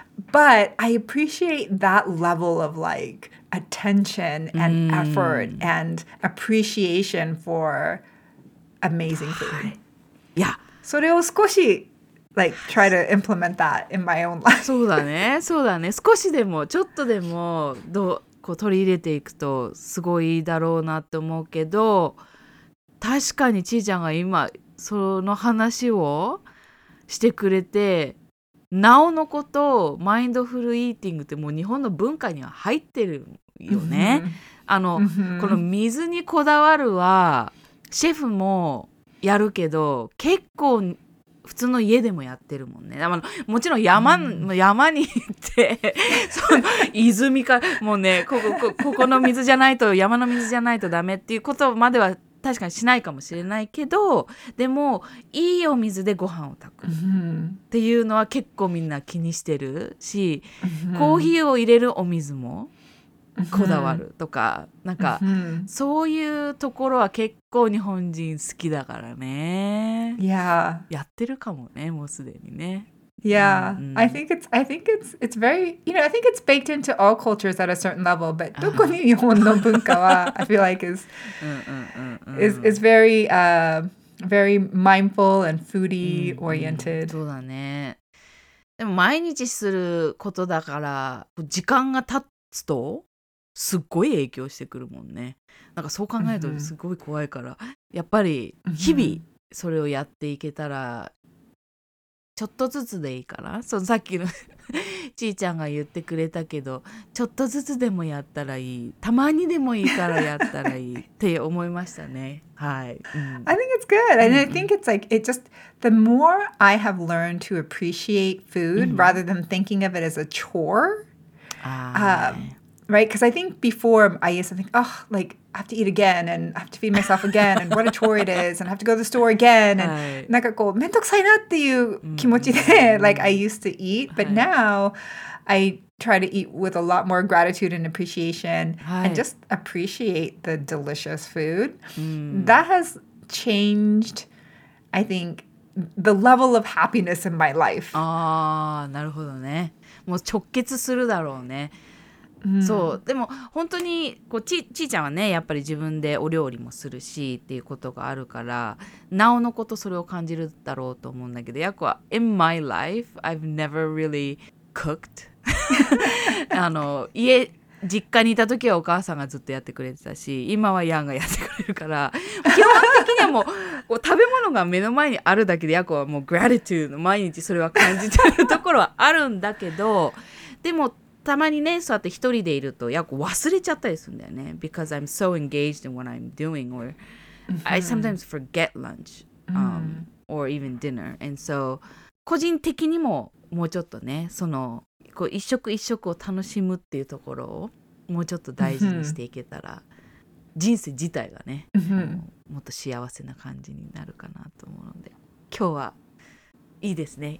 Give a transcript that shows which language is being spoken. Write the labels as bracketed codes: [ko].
[en] But I appreciate that level of like attention and effort and appreciation for amazing food. Yeah. [ja] それを少し [en] like try to implement that in my own life. [ja] そうだね、そうだね。少しでもちょっとでもどうこう取り入れていくとすごいだろうなって思うけど、確かにちーちゃんが今その話をしてくれて、なおのことマインドフルイーティングってもう日本の文化には入ってるよね。あのこの水にこだわるはシェフもやるけど、結構普通の家でもやってるもんね。あのもちろん 山に行ってその泉かもうね、ここの水じゃないと、山の水じゃないとダメっていうことまでは確かにしないかもしれないけど、でもいいお水でご飯を炊くっていうのは結構みんな気にしてるし、コーヒーを入れるお水もこだわるとか、なんかそういうところは結構日本人好きだからね。 [en] Yeah. [ja] やってるかもね、もうすでにね。 [en] Yeah, mm-hmm. I think it's very, you know, I think it's baked into all cultures at a certain level, but [ja] どこに日本の文化は [en] I feel like is very, very mindful and foodie oriented. [ja] そうだね。でも毎日することだから、時間が経つとすっごい影響してくるもんね。なんかそう考えるとすごい怖いから、やっぱり日々それをやっていけたら、ちょっとずつでいいかな。そのさっきのちーちゃんが言ってくれたけど、ちょっとずつでもやったらいい、たまにでもいいからやったらいいって思いましたね。はい、 [en] うん、I think it's good. And I think it's like, it just, the more I have learned to appreciate food rather than thinking of it as a chore, right? Because I think before I used to think, oh, like, I have to eat again and I have to feed myself again and what a chore it is and I have to go to the store again and [ja] なんかこう、めんどくさいなっていう気持ちで、 [en] like, I used to eat. But now I try to eat with a lot more gratitude and appreciation and just appreciate the delicious food. That has changed, I think, the level of happiness in my life. [ja] なるほどね。もう直結するだろうね。そう、でも本当にこう ちーちゃんはね、やっぱり自分でお料理もするしっていうことがあるから、なおのことそれを感じるだろうと思うんだけど、やっぱ [en] In my life I've never really cooked [ja] あの家実家にいた時はお母さんがずっとやってくれてたし、今はヤンがやってくれるから、基本的にはもう、 こう食べ物が目の前にあるだけで、やっぱはもう gratitude 毎日それは感じてるところはあるんだけど、でもたまにね、そうやって一人でいるとやっぱ忘れちゃったりするんだよね。 [en] Because I'm so engaged in what I'm doing, or I sometimes forget lunch, or even dinner. [ja] And so 個人的にももうちょっとね、そのこう一食一食を楽しむっていうところをもうちょっと大事にしていけたら、人生自体がね、もっと幸せな感じになるかなと思うので、今日はいいですね。